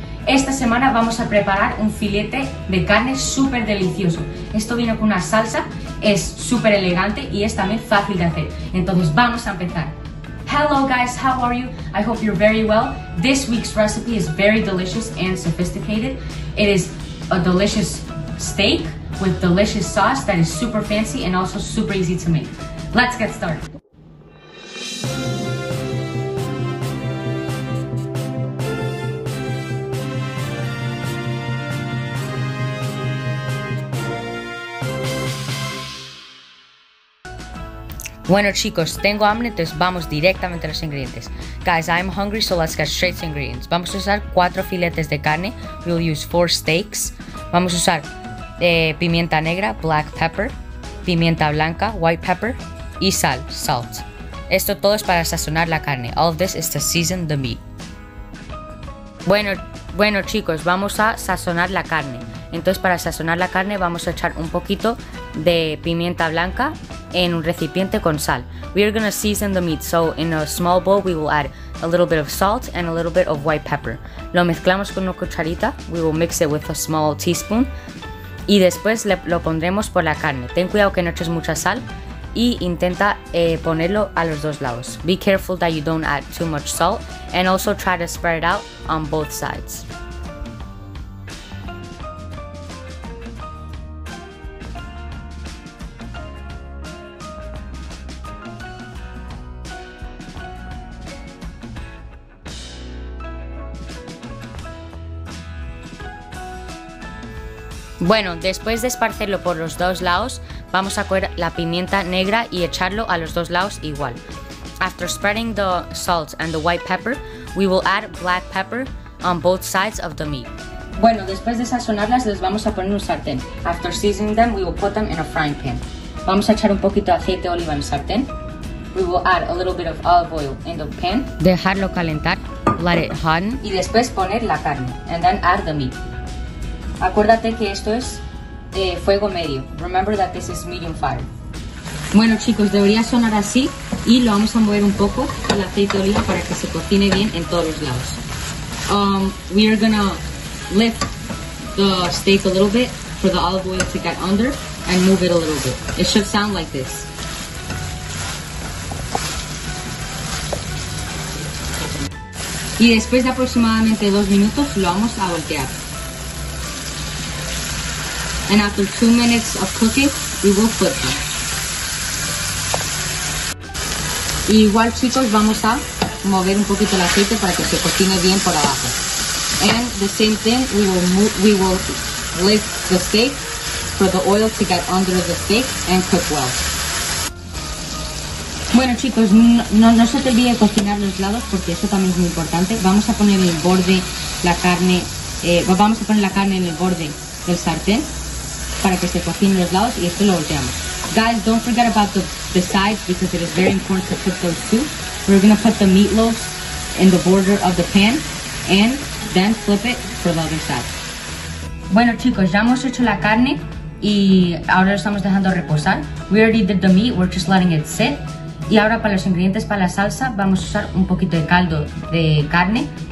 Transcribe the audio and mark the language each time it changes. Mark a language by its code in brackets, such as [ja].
[es] Esta semana vamos a preparar un filete de carne súper delicioso. Esto viene con una salsa, es súper elegante y es también fácil de hacer. Entonces vamos a empezar. [en] Hello guys, how are you? I hope you're very well. This week's recipe is very delicious and sophisticated. It is a delicious steak with delicious sauce that is super fancy and also super easy to make. Let's get started. [es] Bueno chicos, tengo hambre, entonces vamos directamente a los ingredientes. [en] Guys, I'm hungry, so let's get straight to ingredients. [es] Vamos a usar 4 filetes de carne. [en] We'll use 4 steaks. [es] Vamos a usar pimienta negra, [en] black pepper, [es] pimienta blanca, [en] white pepper, [es] y sal, salt. Esto todo es para sazonar la carne. [en] All of this is to season the meat. [es] Bueno chicos, vamos a sazonar la carne. Entonces para sazonar la carne vamos a echar un poquito de pimienta blanca en un recipiente con sal. [en] We are going to season the meat, so in a small bowl we will add a little bit of salt and a little bit of white pepper. [es] Lo mezclamos con una cucharita, [en] we will mix it with a small teaspoon, [es] y después lo pondremos por la carne. Ten cuidado que no eches mucha sal y intenta ponerlo a los dos lados. [en] Be careful that you don't add too much salt and also try to spread it out on both sides. [es] Bueno, después de esparcerlo por los dos lados, vamos a coger la pimienta negra y echarlo a los dos lados igual. [en] After spreading the salt and the white pepper, we will add black pepper on both sides of the meat. [es] Bueno, después de sazonarlas, les vamos a poner en un sartén. [en] After seasoning them, we will put them in a frying pan. [es] Vamos a echar un poquito de aceite de oliva en el sartén. [en] We will add a little bit of olive oil in the pan. [es] Dejarlo calentar, [en] let it harden. [es] Y después poner la carne, [en] and then add the meat. [es] Acuérdate que esto es fuego medio. [en] Remember that this is medium fire. [es] Bueno chicos, debería sonar así y lo vamos a mover un poco el aceite de oliva para que se cocine bien en todos los lados. [en] We are gonna lift the steak a little bit for the olive oil to get under and move it a little bit. It should sound like this. [es] Y después de aproximadamente 2 minutos lo vamos a voltear. [en] And after 2 minutes of cooking, we will flip them. [es] Y igual, chicos, vamos a mover un poquito el aceite para que se cocine bien por abajo. [en] And the same thing, we will lift the steak for the oil to get under the steak and cook well. [es] Bueno, chicos, no se te olvide de cocinar los lados porque eso también es muy importante. Vamos a poner el borde, la carne, vamos a poner la carne en el borde del sartén para que se cocine los lados y esto lo volteamos. [en] Guys, don't forget about the sides because it is very important to cook those too. We're gonna put the meatloaf in the border of the pan and then flip it for the other side. [es] Bueno chicos, ya hemos hecho la carne y ahora lo estamos dejando reposar. [en] We already did the meat, we're just letting it sit. [es] Y ahora para los ingredientes para la salsa vamos a usar un poquito de caldo de carne.